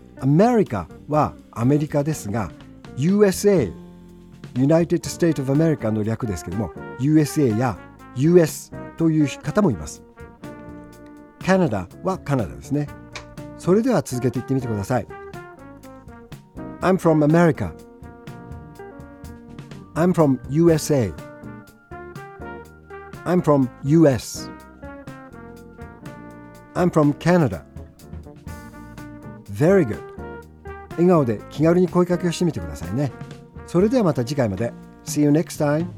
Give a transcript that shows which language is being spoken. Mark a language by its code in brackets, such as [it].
[ja] アメリカはアメリカですが、 USA、 United States of America の略ですけども、 USA や US という方もいます。カナダはカナダですね。それでは続けて言ってみてください。 [en] I'm from America、 I'm from USA、 I'm from US、 I'm from Canada。 Very good。 [ja] 笑顔で気軽に声かけをしてみてくださいね。それではまた次回まで。 [en] See you next time!